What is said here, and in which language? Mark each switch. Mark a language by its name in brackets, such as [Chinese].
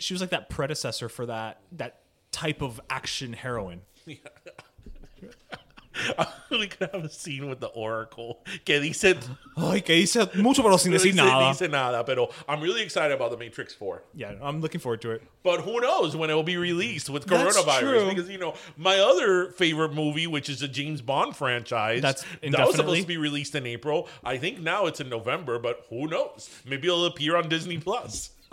[English] she was like that predecessor for that type of action heroine. Yeah. We could have a scene with the Oracle. [Spanish] Que dice... Ay, que dice mucho, pero sin decir nada. Dice nada, pero [English] I'm really excited about The Matrix 4. Yeah, I'm looking forward to it. But who knows when it will be released with coronavirus. That's true. Because, you know, my other favorite movie, which is the James Bond franchise. That's indefinitely. That was supposed to be released in April. I think now it's in November, but who knows? Maybe it'll appear on Disney Plus.